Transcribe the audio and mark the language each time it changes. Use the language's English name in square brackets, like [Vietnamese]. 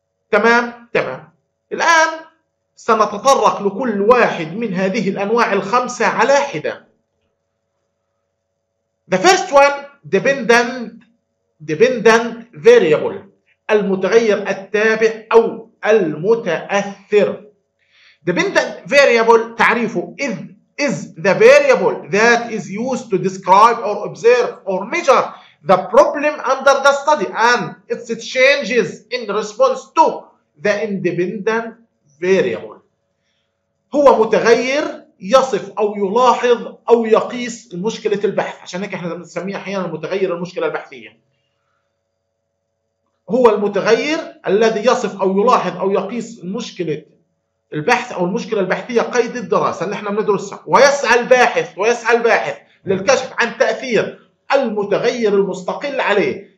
[Arabic] تمام. الآن سنتطرق لكل واحد من هذه الأنواع الخمسة على حدة. [English] The first one dependent variable، [Arabic] المتغير التابع أو المتأثر. [English] Dependent variable تعريفه is the variable that is used to describe or observe or measure the problem under the study and its changes in response to the independent variable. [Arabic] هو متغير يصف أو يلاحظ أو يقيس مشكلة البحث، عشان هيك احنا بنسميه أحيانا المتغير المشكلة البحثية. هو المتغير الذي يصف أو يلاحظ أو يقيس مشكلة البحث أو المشكلة البحثية قيد الدراسة اللي احنا بندرسها، ويسعى الباحث للكشف عن تأثير المتغير المستقل عليه.